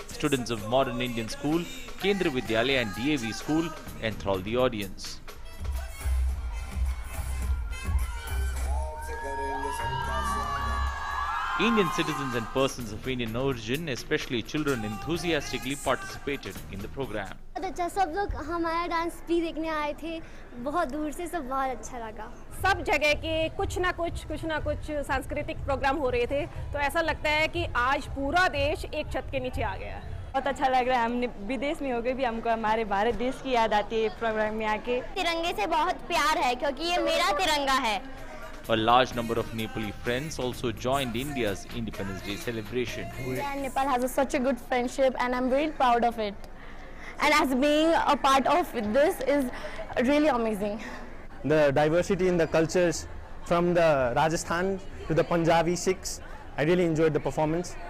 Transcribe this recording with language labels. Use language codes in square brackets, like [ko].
[en] Students of Modern Indian School, Kendra Vidyalaya and DAV School enthralled the audience. Indian citizens and persons of Indian origin, especially children, enthusiastically participated in the program. [hi] सब लोग हमारा dance भी देखने आए थे बहुत दूर से सब बहुत अच्छा लगा सब जगह के कुछ ना कुछ सांस्कृतिक प्रोग्राम हो रहे थे तो ऐसा लगता है कि आज पूरा देश एक छत के नीचे आ गया बहुत अच्छा लग रहा है हमने विदेश में हो गए भी हमको हमारे भारत देश की याद आती है प्रोग्राम में आके तिरंगे से बहुत प्यार है क्योंकि ये मेरा तिरंगा है [en] A large number of Nepali friends also joined India's Independence Day celebration. India and Nepal has such a good friendship and I'm really proud of it. And as being a part of this is really amazing. The diversity in the cultures from the Rajasthan to the Punjabi Sikhs, I really enjoyed the performance.